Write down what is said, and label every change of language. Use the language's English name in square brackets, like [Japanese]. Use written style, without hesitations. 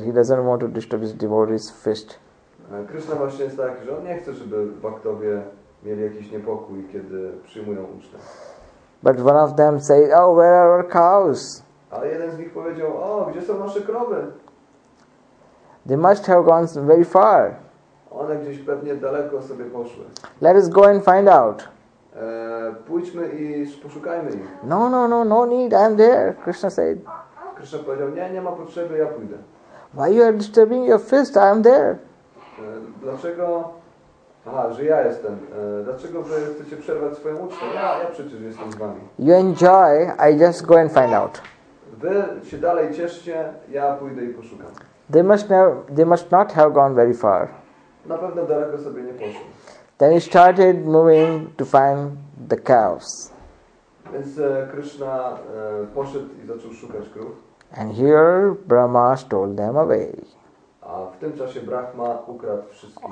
[English] He doesn't want to disturb his devotees' feast. [Polish] Krishna właśnie jest taki, że on nie chce, żeby baktowie mieli jakiś niepokój, kiedy przyjmują ucztę. [English] But one of them said, "Oh, where are our cows?" [Polish] Ale jeden z nich powiedział, "O, gdzie są nasze krowy?" [English] They must have gone very far. [Polish] One gdzieś pewnie daleko sobie poszły. [English] Let us go and find out. [Polish] Pójdźmy i poszukajmy ich. [English] No need, I'm there, Krishna said. [Polish] Krishna powiedział, nie ma potrzeby, ja pójdę. [English] Why you are disturbing your feast, I'm there. [Polish] Dlaczego Aha, że ja jestem. Dlaczego wy chcecie przerwać swoją ucztę? Ja przecież jestem z wami. [English] You enjoy, I just go and find out. [Polish] Wy się dalej cieszcie, ja pójdę i poszukam. [English] They must not have gone very far. [Polish] Na pewno daleko sobie nie poszło. [English] Then he started moving to find the cows. [Polish] Więc Krishna poszedł i zaczął szukać krów. [English] And here Brahma stole them away. [Polish] A w tym czasie Brahma ukradł wszystkich.